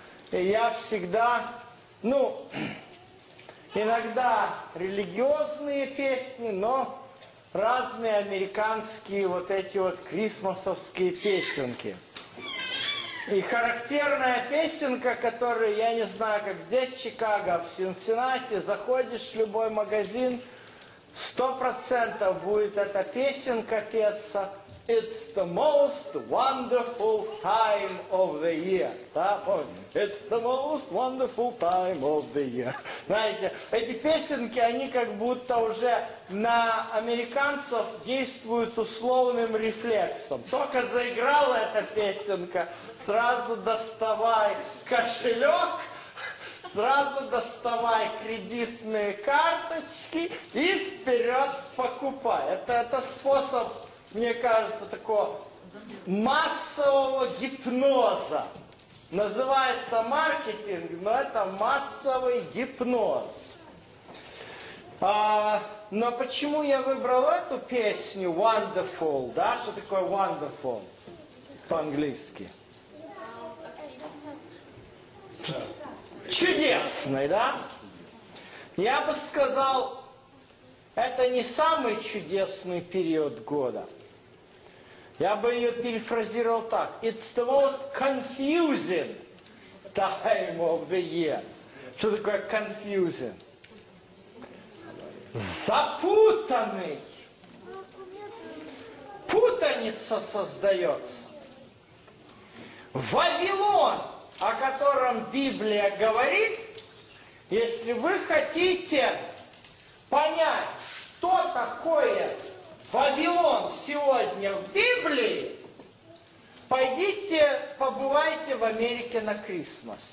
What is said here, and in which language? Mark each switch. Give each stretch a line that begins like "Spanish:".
Russian: И я всегда, ну, иногда религиозные песни, но разные американские вот эти вот крисмасовские песенки. И характерная песенка, которую, я не знаю, как здесь, в Чикаго, в Синсинати, заходишь в любой магазин, 100% будет эта песенка петься.
English: It's the most wonderful time of the year.
Russian: Да?
English: It's the most wonderful time of the year.
Russian: Знаете, эти песенки, они как будто уже на американцев действуют условным рефлексом. Только заиграла эта песенка, сразу доставай кошелек, сразу доставай кредитные карточки и вперед покупай. Это способ, мне кажется, такого массового гипноза. Называется маркетинг, но это массовый гипноз. Но почему я выбрал эту песню Wonderful, да? Что такое Wonderful по-английски? Чудесный, да? Я бы сказал, это не самый чудесный период года. Я бы ее перефразировал так.
English: It's the most confusing time of the year.
Russian: Что такое confusing? Запутанный. Путаница создается. Вавилон, о котором Библия говорит, если вы хотите понять, что такое Вавилон сегодня в Библии, пойдите, побывайте в Америке на Крисмас.